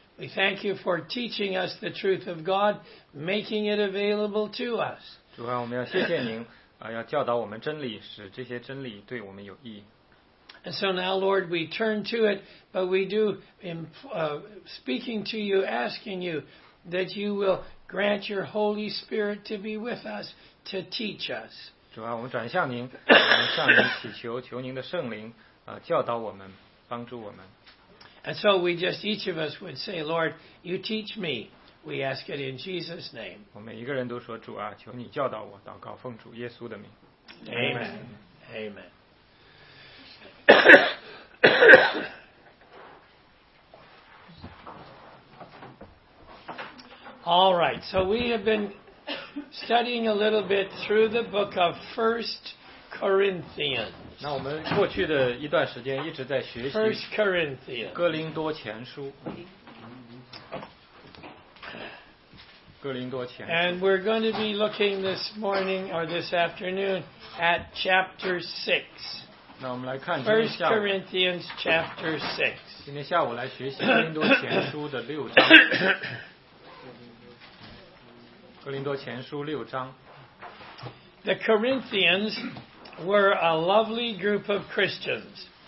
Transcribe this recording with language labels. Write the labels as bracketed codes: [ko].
[en] We thank you for teaching us the truth of God, making it available to us. [zh] 主啊，我们要谢谢您，要教导我们真理，使这些真理对我们有益。 [en] And so now, Lord, we turn to it, but we do, speaking to you, asking you that you will grant your Holy Spirit to be with us to teach us. [zh] 主啊，我们转向您，我们向您祈求，求您的圣灵，教导我们，帮助我们。 [en] And so we just each of us would say, Lord, you teach me. We ask it in Jesus' name. [zh] 我们每一个人都说，主啊，求你教导我，祷告奉主耶稣的名。 [en] Amen. Amen. All right. So we have been studying a little bit through the book of 1 Corinthians. [zh] 那我们过去的一段时间一直在学习 [en] 1 Corinthians. [zh] 哥林多前书. [en] And we're going to be looking this morning or this afternoon at chapter 6. 1 Corinthians chapter 6. [zh] 今天下午来学习哥林多前书的六章。 [en] The Corinthians were a lovely group of Christians.